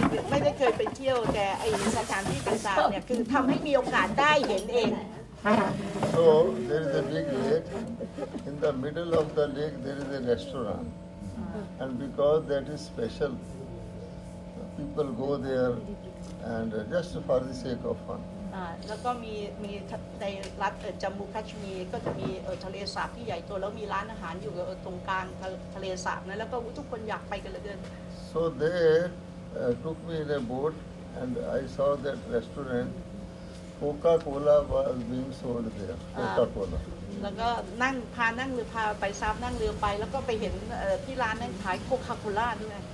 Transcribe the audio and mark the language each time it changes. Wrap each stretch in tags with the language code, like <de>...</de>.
<th>ไม่ได้เคยไปเที่ยวแต่ไอสถานที่ต่างๆเนี่ยคือทำให้มีโอกาสได้เห็นเอง</th> <en>So there is a big lake. In the middle of the lake there is a restaurant, and because that is special, people go there and just for the sake of fun.</en> <th>แล้วก็มีในรัฐจัมมูคัชมีก็จะมีทะเลสาบที่ใหญ่โตแล้วมีร้านอาหารอยู่ตรงกลางทะเลสาบนะแล้วก็ทุกคนอยากไปกันเหลือเกิน</th> <en>so they took me in a boat and I saw that restaurant Coca-Cola was being sold there Coca-Cola</en> <th>แล้วก็นั่งหรือพาไปซับนั่งเรือไปแล้วก็ไปเห็นที่ร้านนั้นขายโคคาโคล่าด้วย</th>